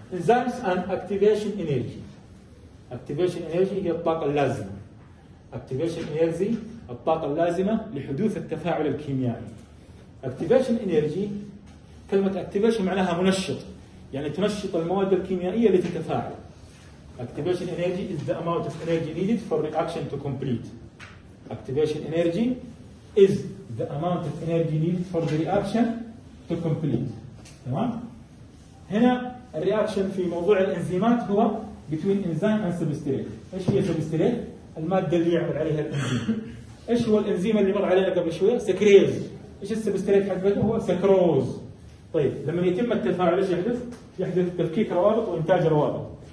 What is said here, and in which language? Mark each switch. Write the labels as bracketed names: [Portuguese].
[Arabic] انزيمز ان اكتيفيشن انرجي. اكتيفيشن انرجي هي الطاقه اللازمه. اكتيفيشن انرجي الطاقه اللازمه لحدوث التفاعل الكيميائي. اكتيفيشن انرجي كلمة activation معناها منشط، يعني تنشط المواد الكيميائية لتتفاعل. [English] Activation energy is the amount of energy needed for reaction to complete. Activation energy is the amount of energy needed for the reaction to complete. [Arabic] تمام؟ هنا الرياكشن في موضوع الإنزيمات هو [English] between enzyme and substrate. [Arabic] إيش هي substrate؟ المادة اللي يعمل عليها الإنزيم. إيش هو الإنزيم اللي مر علينا قبل شوية؟ سكريز. إيش substrate حقه؟ هو سكروز. طيب لما يتم التفاعل ايش يحدث؟ يحدث تفكيك روابط وانتاج روابط.